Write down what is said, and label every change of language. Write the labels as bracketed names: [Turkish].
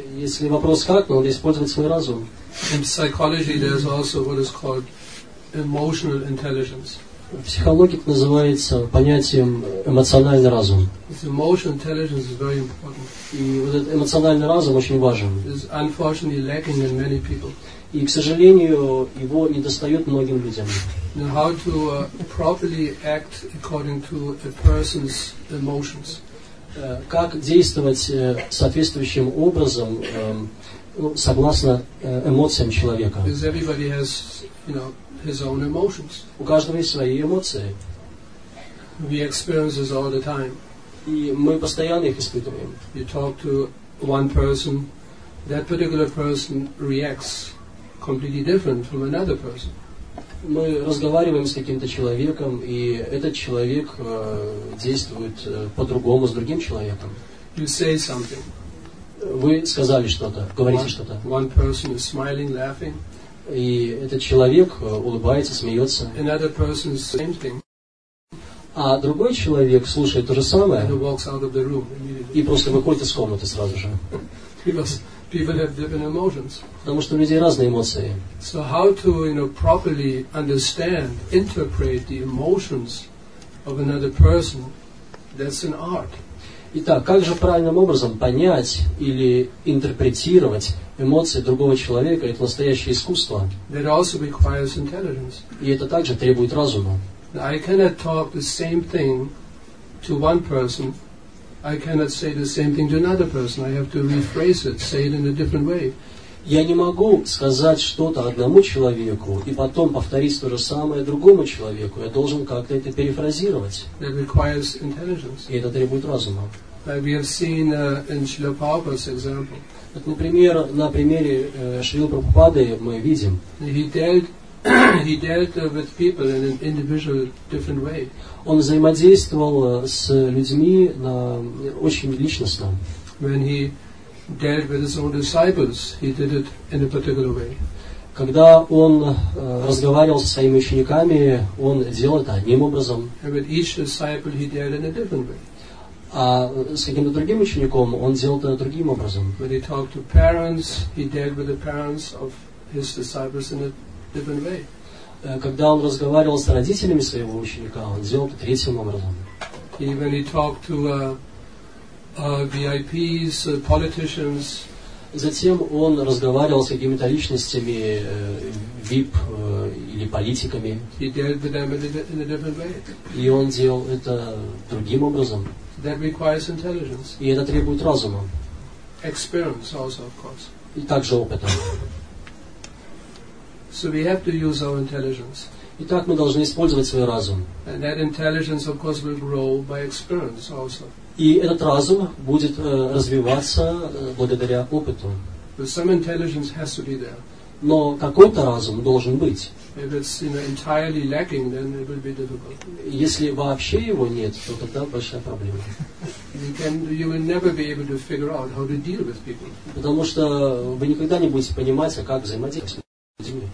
[Russian] Если вопрос как, надо использовать свой разум. [English] In psychology, there's also what is called emotional intelligence. [Russian] В психологии это называется понятием эмоциональный разум. [English] Emotional intelligence is very important. [Russian] И вот этот эмоциональный разум очень важен. [English] It's unfortunately lacking in many people. [Russian] И, к сожалению, его недостает многим людям. [English] Now how to properly act according to a person's emotions? [Russian] Как действовать соответствующим образом согласно эмоциям человека? [English] Because everybody has, you know, his own emotions. [Russian] У каждого есть свои эмоции. [English] We experience this all the time. [Russian] И мы постоянно их испытываем. [English] You talk to one person, that particular person reacts completely different from another person. [Russian] Мы разговариваем с каким-то человеком, и этот человек действует по-другому с другим человеком. [English] You say something. [Russian] Вы сказали что-то, говорите [English] one, [Russian] что-то. [English] One person is smiling, laughing. [Russian] И этот человек улыбается, смеется. [English] Another person is same thing. [Russian] А другой человек слушает то же самое. [English] And he walks out of the room immediately. [Russian] И просто выходит из комнаты сразу же. [English] People have different emotions. [Russian] Потому что у людей разные эмоции. [English] So how to, you know, properly understand, interpret the emotions of another person, that's an art. [Russian] Итак, как же правильным образом понять или интерпретировать эмоции другого человека, это настоящее искусство. [English] That also requires intelligence. [Russian] И это также требует разума. [English] I cannot talk the same thing to one person. I cannot say the same thing to another person. I have to rephrase it, say it in a different way. [Russian] Я не могу сказать что-то одному человеку и потом повторить то же самое другому человеку. Я должен как-то это перефразировать. [English] That requires intelligence. [Russian] И это требует разума. [English] Like we have seen in Srila Prabhupada's example. [Russian] Вот, например, на примере Шрилы Прабхупады мы видим. [English] He dealt with people in an individual different way. [Russian] Он взаимодействовал с людьми на очень личностно. [English] When he dealt with his own disciples, he did it in a particular way. [Russian] Когда он разговаривал со своими учениками, он делал это одним образом. [English] And with each disciple, he dealt in a different way. [Russian] А с каким-то другим учеником он делал это другим образом. [English] When he talked to parents, he dealt with the parents of his disciples in a different way. [Russian] Когда он разговаривал с родителями своего ученика, он делал это третьим образом. [English] When he talked to VIPs, politicians. [Russian] Затем он разговаривал с какими-то личностями, VIP или политиками. [English] He dealt with them in a different way. [Russian] И он делал это другим образом. [English] That requires intelligence. [Russian] И это требует разума. [English] Experience also, of course. [Russian] И также опыта. [English] So we have to use our intelligence. [Russian] Итак, мы должны использовать свой разум. [English] And that intelligence, of course, will grow by experience also. [Russian] И этот разум будет развиваться благодаря опыту. [English] But some intelligence has to be there. [Russian] Но какой-то разум должен быть. [English] If it's, you know, entirely lacking, then it will be difficult. [Russian] Если вообще его нет, то тогда большая проблема. [English] You will never be able to figure out how to deal with people. [Russian] Потому что вы никогда не будете понимать, как взаимодействовать с людьми.